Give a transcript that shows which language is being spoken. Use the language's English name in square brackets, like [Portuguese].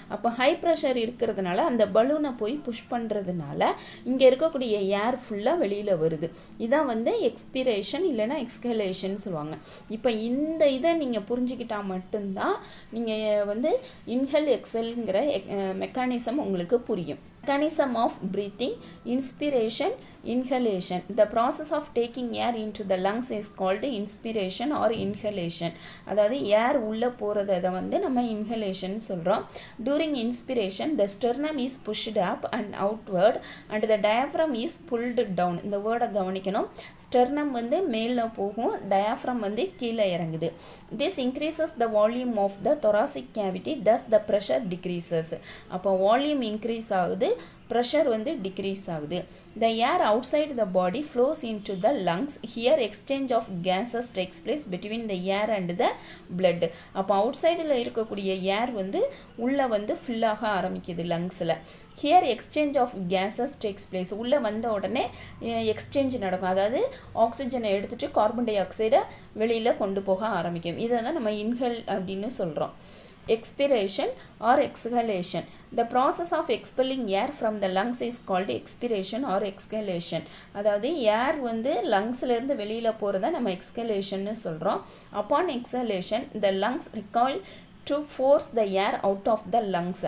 [Tamil] அப்போ high pressure இருக்கிறதுனால அந்த பலூனை போய் புஷ் பண்ணுறதுனால இங்கே இருக்கக்கூடிய ஏர் ஃபுல்லாக வெளியில் வருது. இதான் வந்து எக்ஸ்பிரேஷன் இல்லைனா எக்ஸ்ஹலேஷன் சொல்லுவாங்க. இப்போ இந்த இதை நீங்கள் புரிஞ்சுக்கிட்டால் மட்டும்தான் நீங்கள் வந்து இன்ஹெல் எக்ஸ்ஹெல்ங்கிற மெக்கானிசம் உங்களுக்கு புரியும். [English] Mechanism of breathing, inspiration, inhalation. The process of taking air into the lungs is called inspiration or inhalation. [Tamil] அதாவது ஏர் உள்ளே போகிறது அதை வந்து நம்ம inhalation சொல்கிறோம். [English] During inspiration, the sternum is pushed up and outward and the diaphragm is pulled down. [Tamil] இந்த வேர்டை கவனிக்கணும். ஸ்டெர்னம் வந்து மேலே போகும், டயாஃப்ரம் வந்து கீழே இறங்குது. [English] This increases the volume of the thoracic cavity, thus the pressure decreases. [Tamil] அப்போ volume increase ஆகுது, ப்ரெஷர் வந்து டிக்ரீஸ் ஆகுது. [English] The air outside the body flows into the lungs. Here exchange of gases takes place between the air and the blood. அப்போ அவுட் சைடில் இருக்கக்கூடிய air வந்து உள்ளே வந்து ஃபில்லாக ஆரம்பிக்குது லங்ஸில். Here exchange of gases takes place, [Tamil] உள்ளே வந்த உடனே எக்ஸ்சேஞ்ச் நடக்கும். அதாவது ஆக்சிஜனை எடுத்துகிட்டு கார்பன் டை ஆக்சைடை வெளியில் கொண்டு போக ஆரம்பிக்கும். இதை தான் நம்ம இன்ஹெல் அப்படின்னு சொல்கிறோம். [English] Expiration or exhalation. The process of expelling air from the lungs is called expiration or exhalation. [Tamil] அதாவது ஏர் வந்து லங்ஸ்லேருந்து வெளியில் போகிறத நம்ம எக்ஸ்ஹலேஷன் சொல்கிறோம். [English] Upon exhalation, the lungs recoil to force the air out of the lungs.